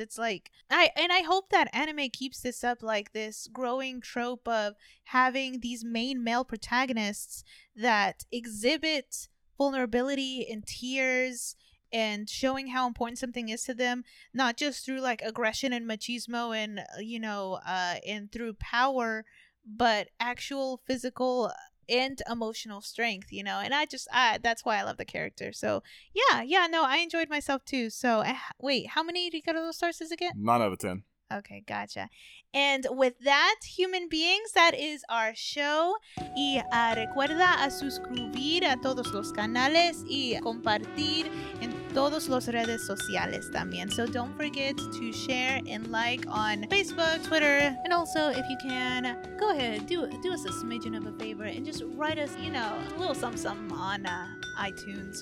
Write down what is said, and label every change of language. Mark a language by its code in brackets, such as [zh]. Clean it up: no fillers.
[en] It's like, I hope that anime keeps this up, like this growing trope of having these main male protagonists that exhibit vulnerability and tears and showing how important something is to them, not just through like aggression and machismo and, you know, and through power, but actual physical and emotional strength, you know. And I that's why I love the character. So yeah, no, I enjoyed myself too. So wait, how many Ricardo stars is it again? 9 out of 10. Okay, gotcha. And with that, human beings, that is our show. [es] Y recuerda a suscribir a todos los canales y compartir en todos los redes sociales también. [en] So don't forget to share and like on Facebook, Twitter. And also, if you can, go ahead, do us a smidgen of a favor and just write us, you know, a little something on iTunes.